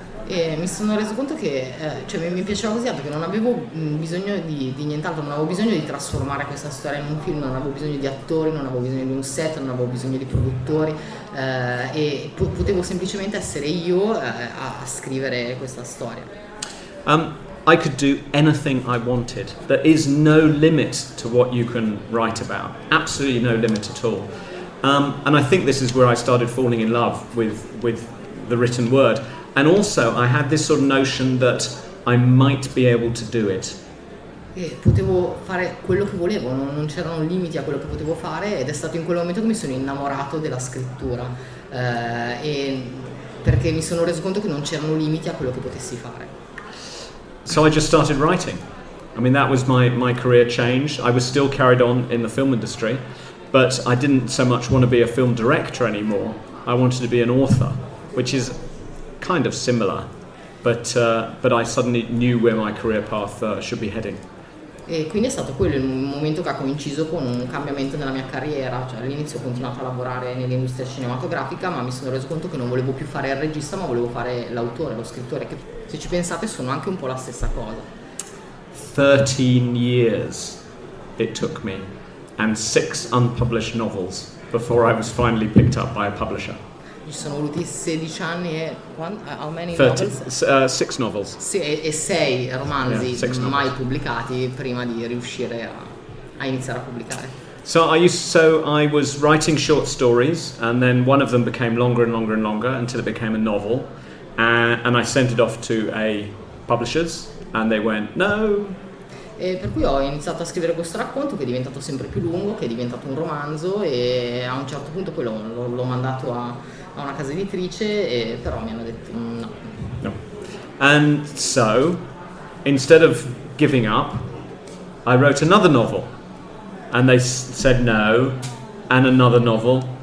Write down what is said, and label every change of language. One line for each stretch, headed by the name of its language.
Italian: E mi sono reso conto che cioè mi piaceva così tanto che non avevo bisogno di nient'altro, non avevo bisogno di trasformare questa storia in un film, non avevo bisogno di attori, non avevo bisogno di un set, non avevo bisogno di produttori, e potevo semplicemente essere io a scrivere questa storia.
English: I could do anything I wanted. There is no limit to what you can write about. Absolutely no limit at all. And I think this is where I started falling in love with the written word. And also, I had this sort of notion that I might be able to do it.
Italian: Potevo fare quello che volevo, non c'erano limiti a quello che potevo fare, ed è stato in quel momento che mi sono innamorato della scrittura, e perché mi sono reso conto che non c'erano limiti a quello che potessi fare.
English: So I just started writing. I mean, that was my career change. I was still carried on in the film industry, but I didn't so much want to be a film director anymore. I wanted to be an author, which is kind of similar, but I suddenly knew where my career path should be heading.
Italian: E quindi è stato quello il momento che ha coinciso con un cambiamento nella mia carriera. Cioè, all'inizio ho continuato a lavorare nell'industria cinematografica, ma mi sono reso conto che non volevo più fare il regista, ma volevo fare l'autore, lo scrittore, che se ci pensate sono anche un po' la stessa cosa.
English: 13 years it took me and 6 unpublished novels before I was finally picked up by a publisher.
Italian: Ci sono voluti 16 anni e
English: how many 30, novels? 6 novels. Sì, e 6 romanzi, yeah, 6 mai novels pubblicati prima di riuscire a iniziare a pubblicare. So I was writing short stories, and then one of them became longer and longer and longer until it became a novel, and I sent it off to a publishers and they went no. E per cui ho iniziato a scrivere questo racconto che è diventato sempre più lungo, che è diventato un romanzo, e a un certo punto quello l'ho mandato a una casa editrice, e però mi hanno detto no. No. And so, instead of giving up, I wrote another novel, and they said no, and another novel,